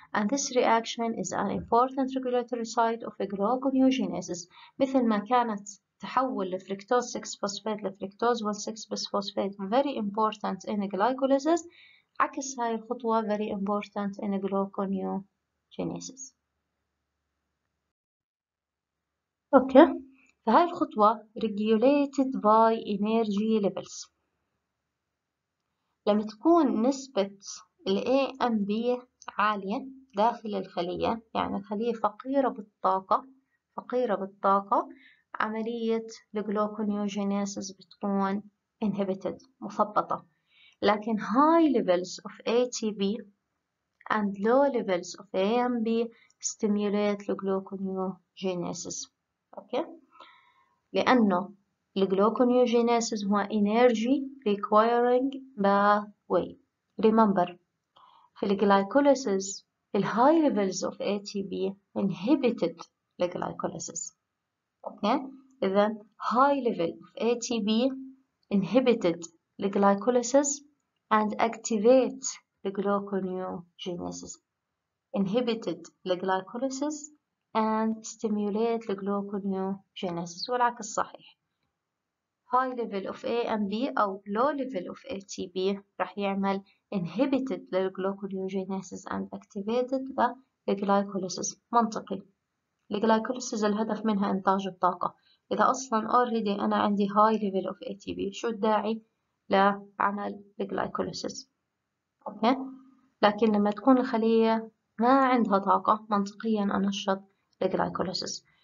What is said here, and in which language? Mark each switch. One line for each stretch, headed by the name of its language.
English: And this reaction is an important regulatory site of gluconeogenesis.
Arabic: مثل ما كانت تحول الفركتوز 6 فوسفات لفركتوز 1,6 بس فوسفات
English: very important in glycolysis.
Arabic: عكس هاي الخطوة
English: very important in gluconeogenesis.
Arabic: اوكي فهاي الخطوة
English: regulated by energy levels.
Arabic: لما تكون نسبة ال AMP عالية داخل الخلية يعني الخلية فقيرة بالطاقة فقيرة بالطاقة عملية الجلوكونيوجينيسيس بتكون inhibited مثبطة.
English: لكن high levels of ATP and low levels of AMP stimulate الجلوكونيوجينيسيس. Okay لانه الجلوكونيوجينيسيس هو energy requiring pathway. remember في الجلايكوليسيس ال high levels of ATP inhibited الجلايكوليسيس. اوكي اذا high level of ATP inhibited الجلايكوليسيس and activate الجلوكونيوجينيسيس. inhibited الجلايكوليسيس and stimulate the gluconeogenesis والعكس صحيح. High level of AMP أو low level of ATP
Arabic: راح يعمل
English: inhibited the gluconeogenesis and activated the glycolysis.
Arabic: منطقي. الجلايكوليسيس الهدف منها إنتاج الطاقة. إذا أصلاً already أنا عندي
English: high level of ATP
Arabic: شو الداعي لعمل الجلايكوليسيس؟ أوكي؟ لكن لما تكون الخلية ما عندها طاقة منطقياً أنشط الجلايكوليسيس.